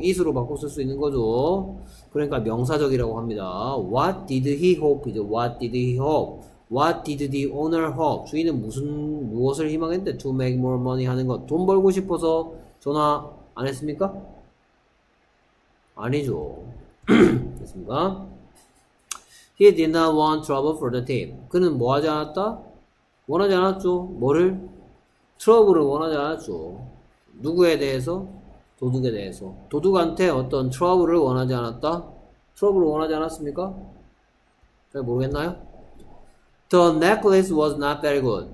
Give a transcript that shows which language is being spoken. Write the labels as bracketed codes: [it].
[ko] is로 바꿔 쓸수 있는 거죠. 그러니까 명사적이라고 합니다. [en] What did he hope이죠. What did he hope? What did the owner hope? [ko] 주인은 무슨 무엇을 희망했는데 [en] to make more money [ko] 하는 것. 돈 벌고 싶어서 전화 안 했습니까? 아니죠. 됐습니까? [en] He did not want trouble for the team. [ko] 그는 뭐 하지 않았다? 원하지 않았죠. 뭐를? 트러블을 원하지 않았죠. 누구에 대해서? 도둑에 대해서. 도둑한테 어떤 트러블을 원하지 않았다? 트러블을 원하지 않았습니까? 잘 모르겠나요? [en] The necklace was not very good.